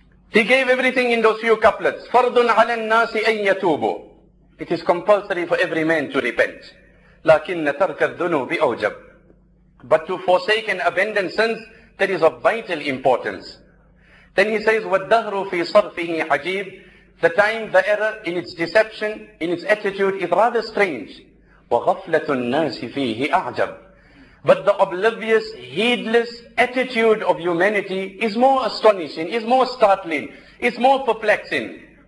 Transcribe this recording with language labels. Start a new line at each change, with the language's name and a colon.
English: He gave everything in those few couplets.
Arabic: فَرْضٌ عَلَى النَّاسِ أَن يَتُوبُ.
English: It is compulsory for every man to repent.
Arabic: لَكِنَّ تَرْكَ الذُّنُوبِ أَوْجَبُ.
English: But to forsake and abandon sins, that is of vital importance. Then he says,
Arabic: وَالدَّهْرُ فِي صَرْفِهِ عَجِيبٌ.
English: The time, the error in its deception, in its attitude is rather strange.
Arabic: وَغَفْلَةُ النَّاسِ فِيهِ أَعْجَبُ.
English: But the oblivious, heedless attitude of humanity is more astonishing, is more startling, is more perplexing.